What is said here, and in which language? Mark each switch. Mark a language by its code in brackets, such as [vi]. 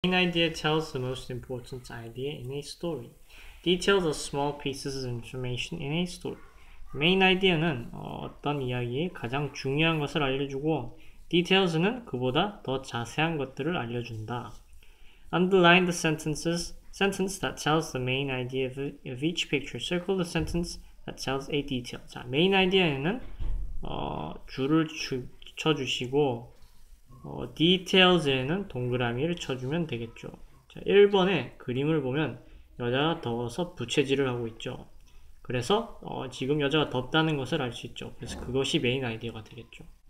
[en] idea tells the most important idea in a story. Details are small pieces of information in a story. [ko] Main idea는 어떤 이야기의 가장 중요한 것을 알려주고, details는 그보다 더 자세한 것들을 알려준다. [en] Underline the sentence that tells the main idea of each picture. Circle the sentence that tells a detail. [ko] 자, main idea에는 줄을 쳐주시고, details에는 동그라미를 쳐주면 되겠죠. 자, 1번에 그림을 보면 여자가 더워서 부채질을 하고 있죠. 그래서 지금 여자가 덥다는 것을 알수 있죠. 그래서 그것이 메인 아이디어가 되겠죠.